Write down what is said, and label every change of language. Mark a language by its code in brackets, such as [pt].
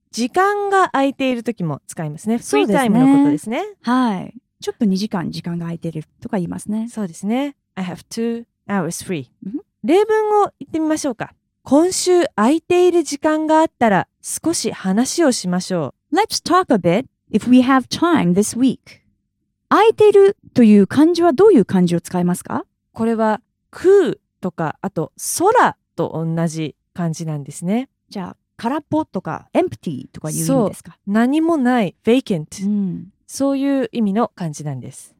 [ja] 時間が空いている時も使いますね。そうですね。フリータイムのことですね。はい。ちょっと2時間時間が空いているとか言いますね。そうですね。 [en] I have 2 hours free. [ja] 例文を言ってみましょうか。今週空いている時間があったら少し話をしましょう。 [en] Let's talk a bit if we have time this week. [ja] 空いているという漢字はどういう漢字を使いますか? これは空とかあと空。と同じ感じなんですね。じゃあ空っぽとか empty とかいう意味ですか。そう、何もない vacant、うん、そういう意味の感じなんです。